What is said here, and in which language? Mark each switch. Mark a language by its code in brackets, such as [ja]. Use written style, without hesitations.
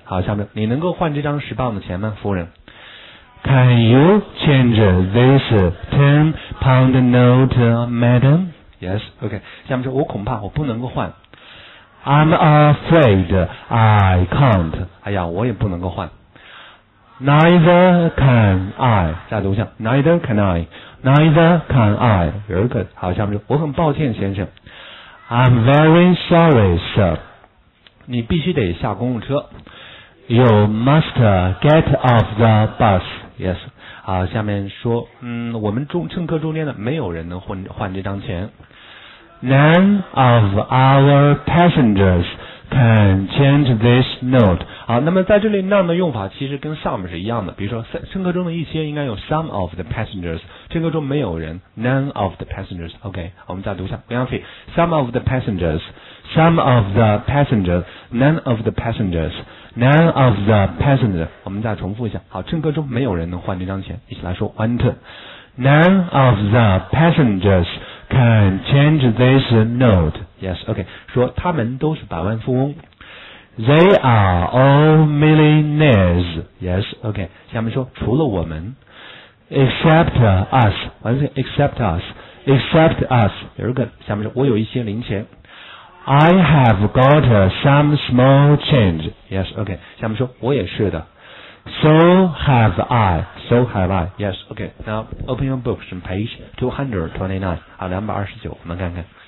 [zh] 好，下面你能够换这张十磅的钱吗，夫人 [en] ？Can you change this £10 note, madam? Yes. OK. [zh] 下面说，我恐怕我不能够换。 [en] I'm afraid I can't. [zh] 哎呀，我也不能够换。 [en] Neither can I. [zh] 加读像 [en] Neither can I. Neither can I. Very good. [zh] 好，下面就我很抱歉先生。 [en] I'm very sorry, sir. [zh] 你必须得下公共车。 [en] You must get off the bus. Yes. [zh] 好，下面说我们乘客中间的没有人能换这张钱。 [en] None of our passengers can change this note. [zh] 好，那么在这里 none 的用法其实跟 some 是一样的，比如说乘客中的一些应该有 [en] some of the passengers, [zh] 乘客中没有人 [en] none of the passengers. [zh] OK, 我们再读一下，不要费 [en] some of the passengers, some of the passengers, none of the passengers, none of the passengers. [zh] 我们再重复一下，好，乘客中没有人能换这张钱，一起来说 [en] one two. None of the passengers. Can change this note. Yes, okay. [zh] 说他们都是百万富翁。 [en] They are all millionaires. Yes, okay. [zh] 下面说除了我们。 [en] Except us. What is it? Except us. Except us. [zh] 有一个下面说我有一些零钱。 [en] I have got some small change. Yes, okay. [zh] 下面说我也是的。 [en] So have I. So have I. Yes. Okay. Now open your books on page 229. [zh] 229. 我们看看。